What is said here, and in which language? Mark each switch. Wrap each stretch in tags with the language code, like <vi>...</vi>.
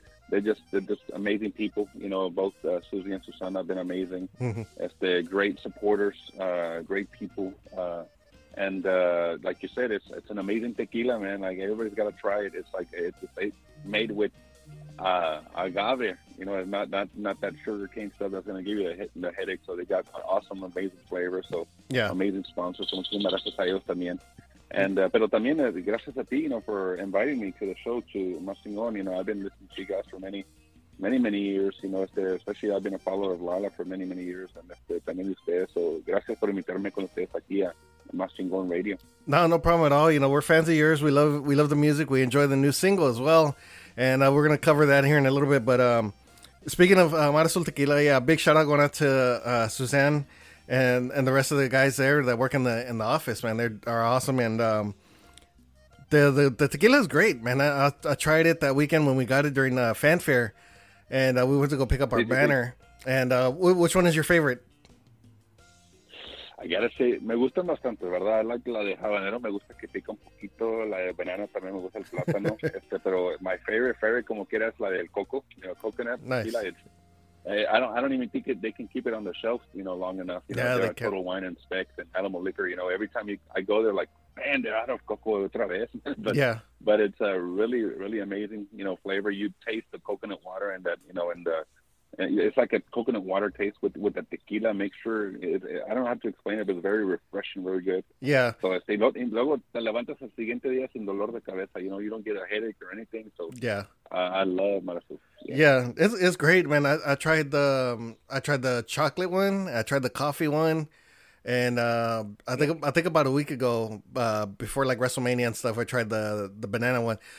<en>They're just amazing people. You know, both Susie and Susana have been amazing. Great supporters. Great people. Like you said, it's an amazing tequila, man. Like, everybody's got to try it. It's like it's made with agave. You know, it's not that sugar cane stuff that's going to give you the headache. So they got awesome, amazing flavor. So yeah, amazing sponsors.</en> <es>Muchas gracias a ellos también.</es> <en>And</en> <es>pero también gracias a ti,</es> <en>you know, for inviting me to the show, to Mastingon. You know, I've been listening to you guys for many years. You know, especially I've been a follower of Lala for many years, and</en> <es>también ustedes. So gracias por invitarme con ustedes aquí a Mastering Going Radio.</es> <en>No problem at all. You know, we're fans of yours. We love the music. We enjoy the new single as well. And we're going to cover that here in a little bit. But speaking of Mar Azul Tequila, yeah, big shout out going out to Suzanne and the rest of the guys there that work in the office, man. They are awesome. And the tequila is great, man. I tried it that weekend when we got it during fanfare. And we went to go pick up our banner. And which one is your favorite? I gotta say,</en> <es>me gusta bastante, ¿verdad?</es> <en>I like</en> <es>la de habanero, me gusta que pica un poquito, la de banana también me gusta el plátano, pero</es> <en>my favorite,</en> <es>como quiera, es la del coco,</es> <en>you know, coconut. Nice. I don't even think they can keep it on the shelf, you know, long enough. You yeah, know, they can. Total Wine and Specs and Animal Liquor, you know, every time I go, they're like, man, they're out of coco</en> <es>otra vez.</es> <en>But it's a really, really amazing, you know, flavor. You taste the coconut water and that, you know, and the... It's like a coconut water taste with the tequila mixture. I don't have to explain it, but it's very refreshing, very good. Yeah. So I say,</en> <es>luego te levantas el siguiente día sin dolor de cabeza.</es> <en>You know, you don't get a headache or anything. So yeah, I love Mar Azul. Yeah, it's great, man. I tried the chocolate one. I tried the coffee one, and I think about a week ago, before like WrestleMania and stuff, I tried the banana one.</en>